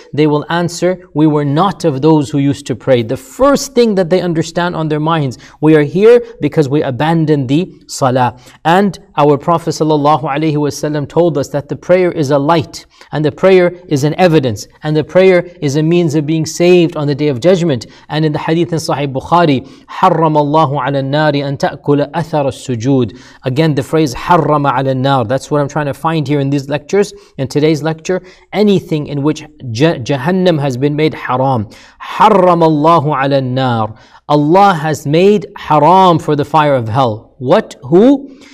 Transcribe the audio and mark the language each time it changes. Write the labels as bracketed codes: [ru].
[en] They will answer, we were not of those who used to pray. The first thing that they understand on their minds, we are here because we abandoned the salah. And our Prophet sallallahu alaihi wasallam told us that the prayer is a light, and the prayer is an evidence, and the prayer is a means of being saved on the Day of Judgment. And in the hadith in Sahih Bukhari, [ar] حَرَّمَ اللَّهُ عَلَى النَّارِ أَن تَأْكُلَ أَثَرَ السُّجُودِ. [en] Again, the phrase [ar] حَرَّمَ عَلَى النَّارِ, [en] that's what I'm trying to find here in these lectures, in today's lecture, anything in which Jahannam has been made haram. [ar] حَرَّمَ اللَّهُ عَلَى النَّارِ. [en] Allah has made haram for the fire of hell. What? Who?